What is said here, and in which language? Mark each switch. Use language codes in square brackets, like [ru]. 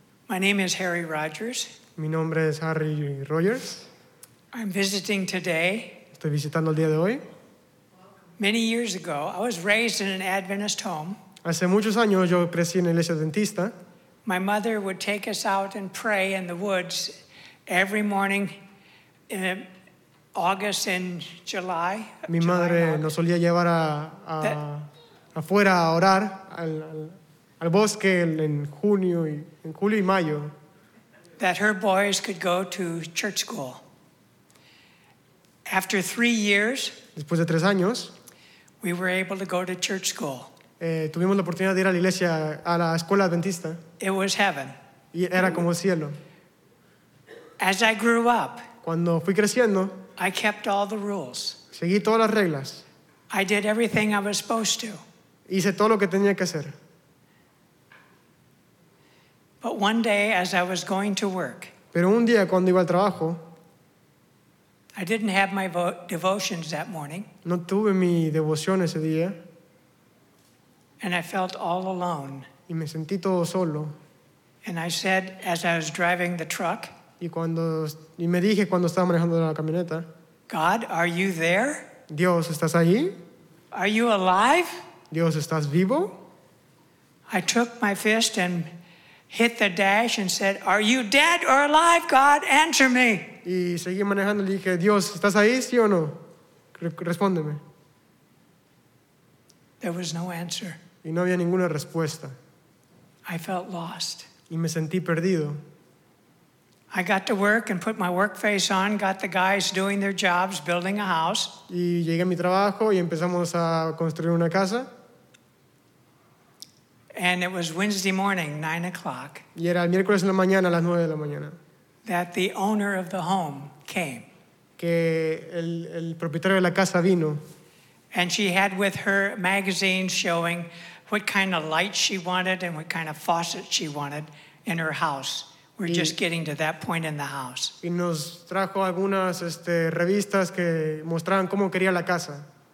[en] My name is Harry Rogers. [es] Mi nombre es Harry Rogers. [en] I'm visiting today. [es] Estoy visitando el día de hoy. [en] Many years ago, I was raised in an Adventist home. [es] Hace muchos años yo crecí en la iglesia adventista. [en] My mother would take us out and pray in the woods every morning in August and July. [es] Mi madre nos solía llevar afuera a orar al bosque en junio y en julio y mayo. [en] That her boys could go to church school. After 3 years, [es] después de 3 años, [en] we were able to go to church school. [es] Tuvimos la oportunidad de ir a la iglesia, a la escuela adventista. [en] It was heaven. [es] Y era como cielo. [en] As I grew up, [es] cuando fui creciendo, [en] I kept all the rules. [es] Seguí todas las reglas. [en] I did everything I was supposed to. [es] Hice todo lo que tenía que hacer. [en] But one day, as I was going to work, [es] pero un día cuando iba al trabajo, [en] I didn't have my devotions that morning. [es] No tuve mi devoción ese día. [en] And I felt all alone. [es] Y me sentí todo solo. [en] And I said, as I was driving the truck, [es] y me dije cuando estaba manejando la camioneta, [en] God, are you there? [es] Dios, ¿estás allí? [en] Are you alive? [es] Dios, ¿estás vivo? [en] I took my fist and hit the dash and said, are you dead or alive, God? Answer me. [es] Y seguí manejando y le dije, Dios, ¿estás ahí, sí o no? Respóndeme. [en] There was no answer. [es] Y no había ninguna respuesta. [en] I felt lost. [es] Y me sentí perdido. [en] I got to work and put my work face on, got the guys doing their jobs, building a house. [es] Y llegué a mi trabajo y empezamos a construir una casa. [en] And it was Wednesday morning, 9 o'clock. [es] Y era el miércoles en la mañana, a las 9 de la mañana. [en] That the owner of the home came. [es] Que el propietario de la casa vino. [en] And she had with her magazines showing what kind of light she wanted and what kind of faucet she wanted in her house. We're just getting to that point in the house. [es] Y nos trajo algunas revistas que mostraban cómo quería la casa.